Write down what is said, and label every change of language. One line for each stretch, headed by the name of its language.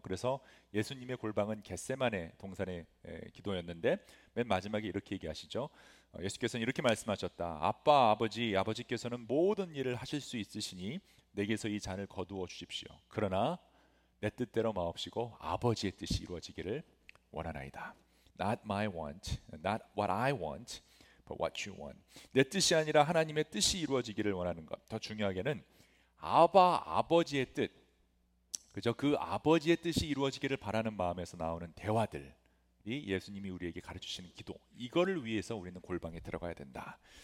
Korean: 그래서 예수님의 골방은 겟세마네 동산의 기도였는데 맨 마지막에 이렇게 얘기하시죠. 예수께서는 이렇게 말씀하셨다. 아빠, 아버지, 아버지께서는 모든 일을 하실 수 있으시니 내게서 이 잔을 거두어 주십시오. 그러나 내 뜻대로 마옵시고 아버지의 뜻이 이루어지기를 원하나이다.
English: Not my want, not what I want, but what you want.
Korean: 내 뜻이 아니라 하나님의 뜻이 이루어지기를 원하는 것. 더 중요하게는 아바, 아버지의 뜻. 그죠? 그 아버지의 뜻이 이루어지기를 바라는 마음에서 나오는 대화들. 예수님이 우리에게 가르쳐주시는 기도, 이거를 위해서 우리는 골방에 들어가야 된다.